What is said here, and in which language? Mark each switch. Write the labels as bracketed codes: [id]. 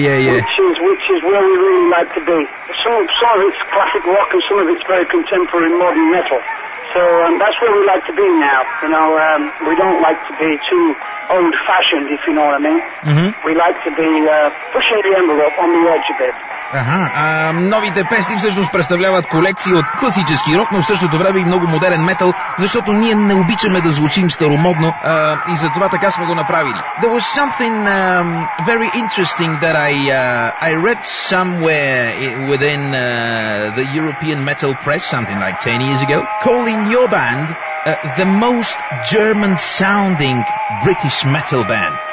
[en] Which is where we really like to be. Some of it's classic rock and some of it's very contemporary modern metal. So that's where we like to be now. We don't like to be too old-fashioned, if you know what I mean. Mm-hmm. We like to be pushing the envelope on the edge a bit. [bg] Новите песни всъщност представляват колекции от класически рок, но в същото време и много модерен метал, защото ние не обичаме да звучим старомодно и затова така сме го направили. [en] There was something very interesting that I read somewhere within the European metal press something like 10 years ago, calling your band the most German sounding British metal band.